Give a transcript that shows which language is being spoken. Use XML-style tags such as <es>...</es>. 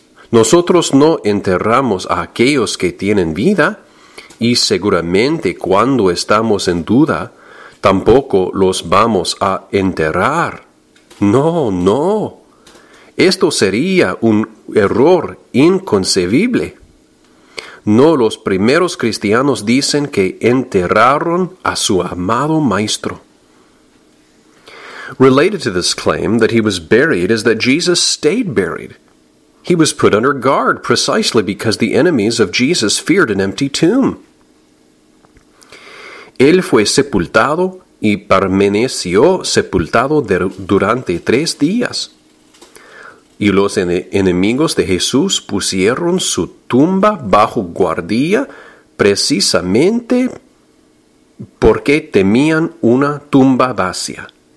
<es>Nosotros no enterramos a aquellos que tienen vida, y seguramente cuando estamos en duda, tampoco los vamos a enterrar. No, no. Esto sería un error inconcebible. No, los primeros cristianos dicen que enterraron a su amado maestro.</es> <en>Related to this claim that he was buried is that Jesus stayed buried. He was put under guard precisely because the enemies of Jesus feared an empty tomb.</en> <es>Él fue sepultado y permaneció sepultado durante 3 días. Y los enemigos de Jesús pusieron su tumba bajo guardia precisamente porque temían una tumba vacía.</es>